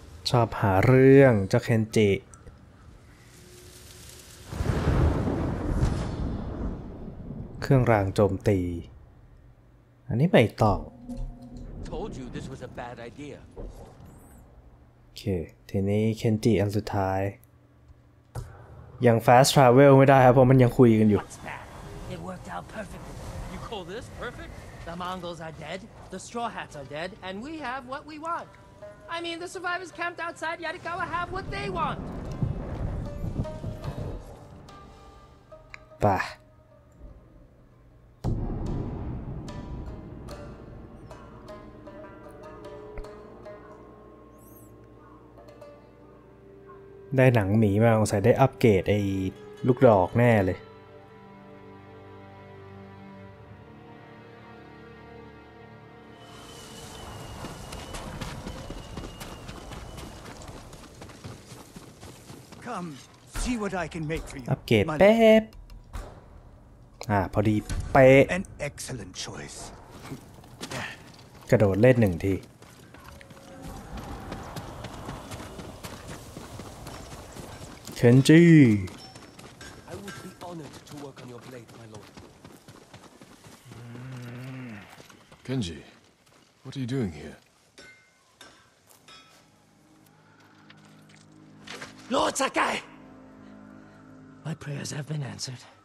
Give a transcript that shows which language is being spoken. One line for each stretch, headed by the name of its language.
Thai: ชอบหาเรื่องเจ้าเคนจิเครื่องรางโจมตีอันนี้ไม่ต้อง
English: Told you this was a bad idea.
Thai: Okay, ทีนี้เคนจิอันสุดท้ายยัง fast travel ไม่ได้ครับเพราะมันยังคุยกันอยู่
English: It worked out perfectly. You call this perfect? The Mongols are dead, the Straw Hats are dead, and we have what we want. I mean, the survivors camped outside Yarikawa have what they want. Bah.
Thai: ได้หนังหมีมาสงสัยได้อัปเกรดไอ้ลูกดอกแน่เลย
English: Come, see what I can make for you.
Thai: อัปเกรดแป๊บพอดีเป๊ะ
English: An excellent choice.
Thai: กระโดดเล่นหนึ่งทีKenji
English: I would be honored to work on your blade my lord Kenji what are you doing here Lord Sakai My prayers have been answered